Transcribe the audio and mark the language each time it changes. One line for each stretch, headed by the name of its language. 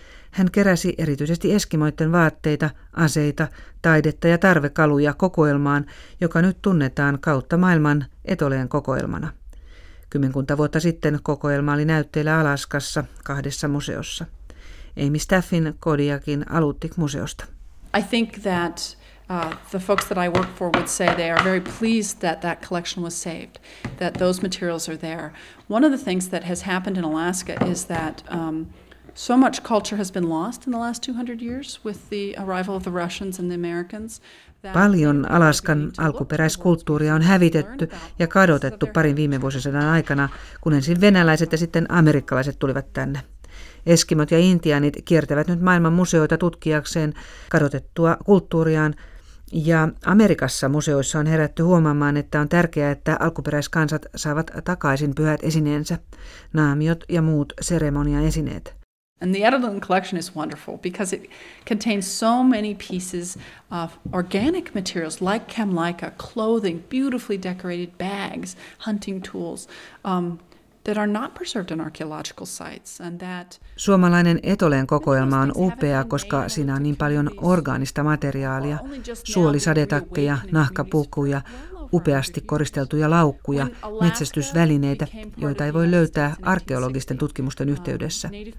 Finnish: Hän keräsi erityisesti eskimoiden vaatteita, aseita, taidetta ja tarvekaluja kokoelmaan, joka nyt tunnetaan kautta maailman Etoleen kokoelmana. Kymmenkunta vuotta sitten kokoelma oli näytteillä Alaskassa kahdessa museossa. Amy Steffin Kodiakin Aluttik-museosta.
English: I think that the folks that I work for would say they are very pleased that that collection was saved, that those materials are there. One of the things that has happened in Alaska is that so much culture has been lost in the last 200 years with the arrival of the Russians and the Americans.
Finnish: Paljon Alaskan alkuperäiskulttuuria on hävitetty ja kadotettu parin viime vuosisadan aikana, kun ensin venäläiset ja sitten amerikkalaiset tulivat tänne. Eskimot ja intiaanit kiertävät nyt maailman museoita tutkijakseen kadotettua kulttuuriaan. Ja Amerikassa museoissa on herätty huomaamaan, että on tärkeää, että alkuperäiskansat saavat takaisin pyhät esineensä, naamiot ja muut seremoniaesineet.
English: And the Edelman collection is wonderful because it contains so many pieces of organic materials like camlica, clothing, beautifully decorated bags, hunting tools that are not preserved in archaeological sites. And that
Finnish: suomalainen Etoleen kokoelma on upea, koska siinä on niin paljon orgaanista materiaalia, suolisadetakkeja, nahkapukuja, upeasti koristeltuja laukkuja, metsästysvälineitä, joita ei voi löytää arkeologisten tutkimusten yhteydessä.